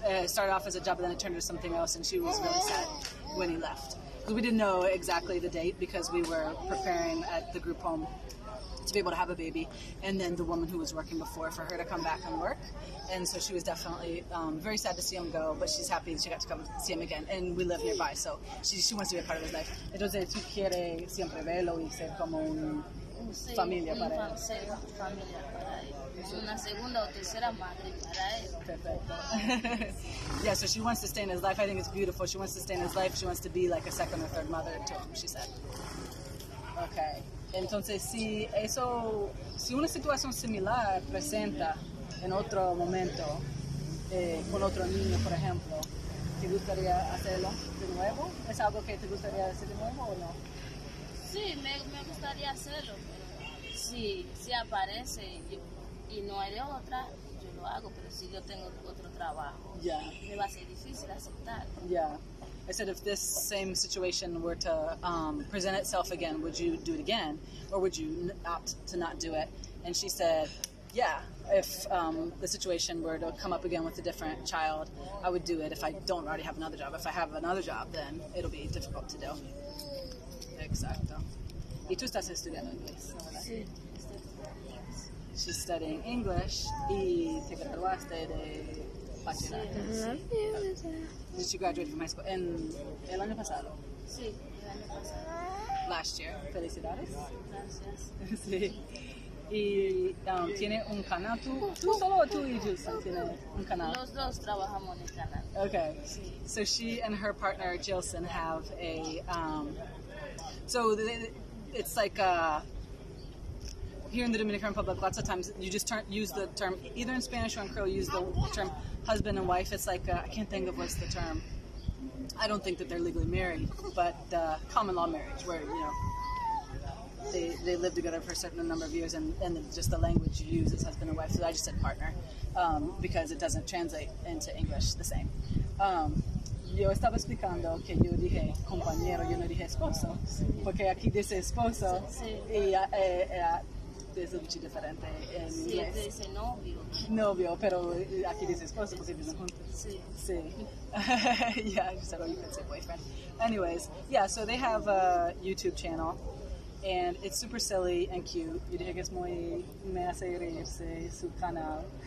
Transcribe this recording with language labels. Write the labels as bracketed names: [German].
[English] It started off as a job, and then it turned into something else, and she was really sad when he left. Because we didn't know exactly the date, because we were preparing at the group home to be able to have a baby, and then the woman who was working before for her to come back and work. And so she was definitely very sad to see him go, but she's happy that she got to come see him again. And we live nearby, so she wants to be a part of his life. [Spanish] Entonces, tú quieres siempre verlo y ser como un... Sí, familia para familia para él. Una segunda o tercera madre para él. Perfecto. [English] Yeah, so she wants to stay in his life. I think it's beautiful. She wants to stay in his life. She wants to be like a second or third mother to him, she said. Okay. [Spanish] Entonces, si eso, si una situación similar presenta en otro momento, con otro niño, por ejemplo, ¿te gustaría hacerlo de nuevo? ¿Es algo que te gustaría hacer de nuevo o no? Sí, me gustaría hacerlo, pero si aparece y no hay de otra, yo lo hago, pero si yo tengo otro trabajo, [English] yeah. [Spanish] Me va a ser difícil aceptar. [English] Yeah. I said, if this same situation were to present itself again, would you do it again, or would you opt to not do it? And she said, yeah, if the situation were to come up again with a different child, I would do it if I don't already have another job. If I have another job, then it'll be difficult to do. [Spanish] Exacto. ¿Y tú estás estudiando inglés? Sí, estoy. [English] She's studying English [Spanish] y te graduaste de bachillerato. Sí. [English] Did you graduate from high school? [Spanish] ¿En el año pasado? Sí, el año pasado. [English] Last year. Felicidades. [Spanish] Gracias. Sí. ¿Y tiene un canal? ¿Tú solo o tú y Gilson tienen un canal? Los dos trabajamos en el canal. [English] Okay. [Spanish] Sí. [English] So she and her partner Gilson have a... So it's like here in the Dominican Republic, lots of times you just use the term, either in Spanish or in Creole, use the term husband and wife. It's like, I can't think of what's the term. I don't think that they're legally married, but common law marriage, where, you know, they live together for a certain number of years, and just the language you use is husband and wife. So I just said partner, because it doesn't translate into English the same. [Spanish] Yo estaba explicando que yo dije compañero, yo no dije esposo, sí. Porque aquí dice esposo, sí. Y es un poco diferente en sí, inglés. Sí, dice novio. Novio, pero aquí dice esposo porque viven juntos. Sí. Sí. [English] Yeah, I just said, oh, you can say boyfriend. Anyways, yeah, so they have a YouTube channel, and it's super silly and cute. [Spanish] Yo dije que es muy, me hace reírse su canal.